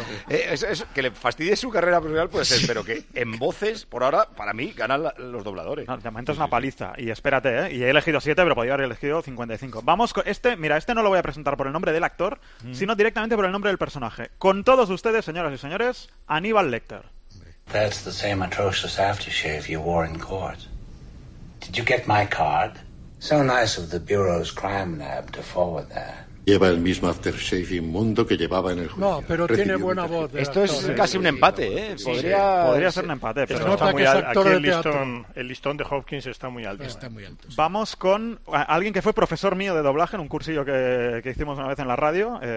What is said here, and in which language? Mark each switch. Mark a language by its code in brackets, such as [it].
[es] Es que le fastidie su carrera profesional puede ser, pero que en voces, por ahora, para mí, ganan los dobladores. No, de momento es una paliza. Y espérate, ¿eh? Y he elegido 7, pero podría haber elegido 55. Vamos con este. Mira, este no lo voy a presentar por el nombre del actor, sino directamente por el nombre del personaje. Con todos ustedes, señoras y señores, Aníbal Lecter. [en] That's the same atrocious aftershave you wore in court. Did you get my card? So nice of the Bureau's crime lab to forward that. [es] Lleva el mismo aftershave inmundo que llevaba en el juicio. No, pero recibió tiene buena voz. Esto es casi un empate, ¿eh? Podría ser un empate, pero está muy alto. Aquí el listón de Hopkins está muy alto. Está muy alto. Sí. Vamos con alguien que fue profesor mío de doblaje en un cursillo que hicimos una vez en la radio.